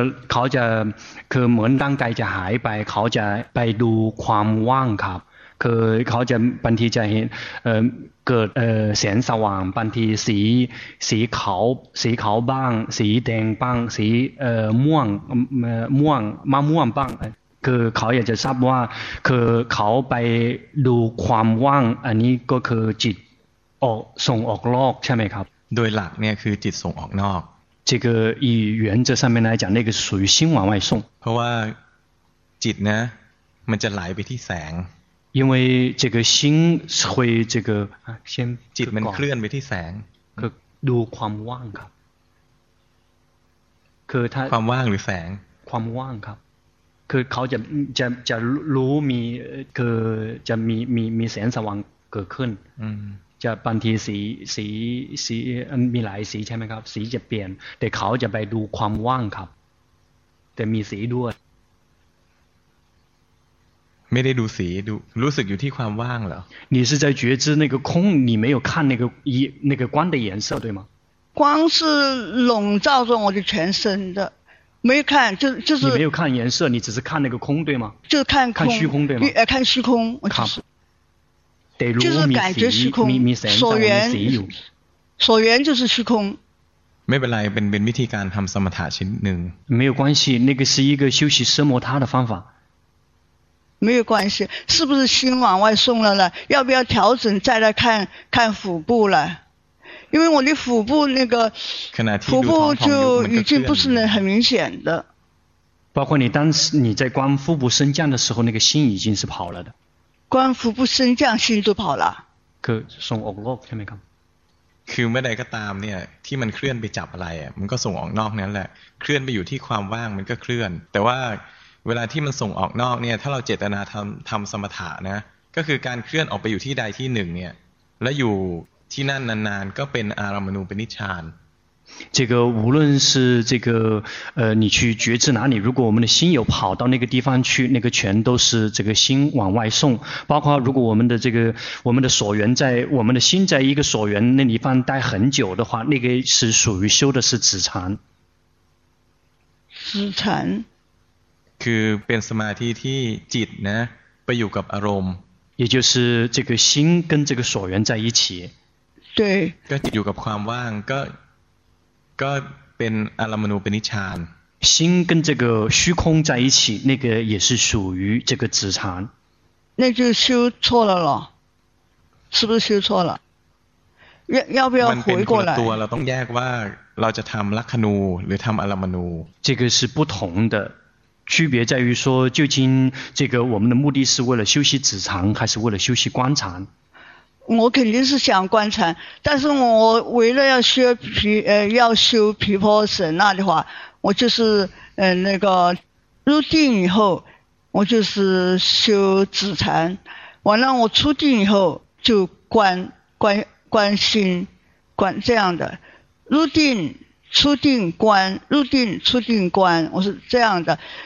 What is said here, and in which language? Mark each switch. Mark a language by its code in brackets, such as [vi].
[th] เขาจะคือเหมือนร่างกายจะหายไปเขาจะไปดูความว่างครับคือเขาจะบางทีจะเห็นเกิดแสงสว่างบางทีสีขาวสีขาวบ้างสีแดงบ้างสีม่วงมะม่วงบ้างคือเขาอยากจะทราบว่าคือเขาไปดูความว่างอันนี้ก็คือจิตออกส่งออกนอกใช่ไหมครับ โดยหลักเนี่ยคือจิตส่งออกนอก [zh] 这个以原则上面来讲，那个属于心往外送。 [th] เพราะว่าจิตนะมันจะไหลไปที่แสง。 [zh] 因为这个心会这个先 [th] จิตมันเคลื่อนไปที่แสง。 คือดูความว่างครับ。 คือถ้า ความว่างหรือแสง？ ความว่างครับ。 คือเขาจะรู้มีคือจะมีแสงสว่างเกิดขึ้น。 จะบางทีสีมีหลายสีใช่ไหมครับสีจะเปลี่ยนแต่เขาจะไปดูความว่างครับแต่มีสีด้วย ไม่ได้ดูสีดูรู้สึกอยู่ที่ความว่างเหรอ [zh] 你是在觉知那个空你没有看那个那个光的颜色对吗光是笼罩着我的全身的没看就是你没有看颜色你只是看那个空对吗就是看空看虚空对吗看虚空我就是就是感觉虚空，所缘，所缘就是虚空。没本来本本问题，干他们什么塔心能？没有关系，那个是一个修习奢摩他的方法。没有关系，是不是心往外送了呢？要不要调整再来看看腹部了？因为我的腹部那个腹部就已经不是很明显的。包括你当时你在观腹部升降的时候，那个心已经是跑了的。观腹部升降，心就跑了。 [th] คือส่งออกนอกใช่ไหมครับ คือเมื่อใดก็ตามเนี่ยที่มันเคลื่อนไปจับอะไรมันก็ส่งออกนอกนั่นแหละเคลื่อนไปอยู่ที่ความว่างมันก็เคลื่อนแต่ว่าเวลาที่มันส่งออกนอกเนี่ยถ้าเราเจตนาทำสมถะนะก็คือการเคลื่อนออกไปอยู่ที่ใดที่หนึ่งเนี่ยและอยู่ที่นั่นนานๆก็เป็นอารัมมณูปนิชฌาน [zh] 这个无论是这个你去觉知哪里，如果我们的心有跑到那个地方去，那个全都是这个心往外送。包括如果我们的这个我们的所缘在我们的心在一个所缘那地方待很久的话，那个是属于修的是止禅。止禅， [th] คือเป็นสมาธิที่จิตนะไปอยู่กับอารมณ์ [zh] ，也就是这个心跟这个所缘在一起。对。 [th] ก็จิตอยู่กับความว่างก็เป็นอารัมมณูปนิชฌาน [zh] 心跟这个虚空在一起那个也是属于这个止禅那就修错了咯是不是修错了要不要回过来 [th] มันเป็นคนละตัวเราต้องแยกว่าเราจะทำลัคนูหรือทำอารัมมณู [zh] 这个是不同的区别在于说究竟这个我们的目的是为了修习止禅还是为了修习观禅我肯定是想观禅，但是我为了要修毗婆舍那的话，我就是那个入定以后，我就是修止禅，完了我出定以后就观心，这样的入定出定观，入定出定观，我是这样的。